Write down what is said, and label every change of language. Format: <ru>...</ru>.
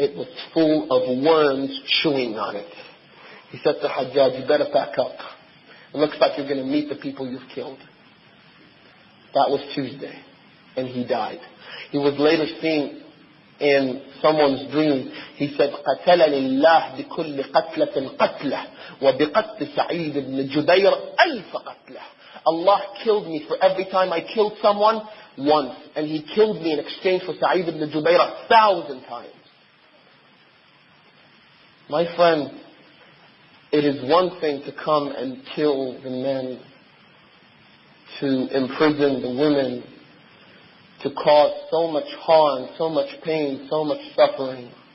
<en>It was full of worms chewing on it. He said to Hajjaj, you better pack up. It looks like you're going to meet the people you've killed. That was Tuesday, and he died. He was later seen in someone's dream.</en> <ar>He said, قَتَلَنِ اللَّهِ بِكُلِّ قَتْلَةٍ قَتْلَةٍ وَبِقَتْلِ سَعِيدِ بْنِ جُبَيْرَ أَلْفَ قَتْلَةٍ.</ar> <en>Allah killed me for every time I killed someone, once. And he killed me in exchange for Sa'id ibn Jubayr 1,000 times. My friend, it is one thing to come and kill the men, to imprison the women, to cause so much harm, so much pain, so much suffering.</en>